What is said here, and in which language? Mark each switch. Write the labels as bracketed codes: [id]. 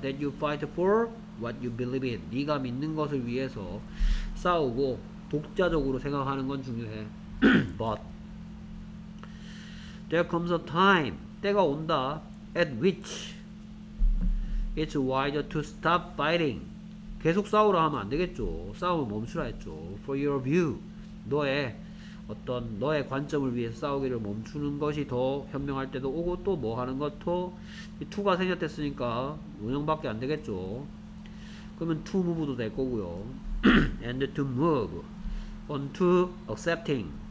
[en] That you fight for what you believe in. [ko] 네가 믿는 것을 위해서 싸우고 독자적으로 생각하는 건 중요해. [en] But there comes a time, [ko] 때가 온다, [en] at which it's wiser to stop fighting. [ko] 계속 싸우라 하면 안 되겠죠. 싸움을 멈추라 했죠. [en] For your view, [ko] 너의 어떤 너의 관점을 위해 싸우기를 멈추는 것이 더 현명할 때도 오고 또 뭐 하는 것도 2가 생겼댔으니까 운영밖에 안 되겠죠. 그러면 [en] to move도 [ko] 될 거고요. [en] And to move on to accepting.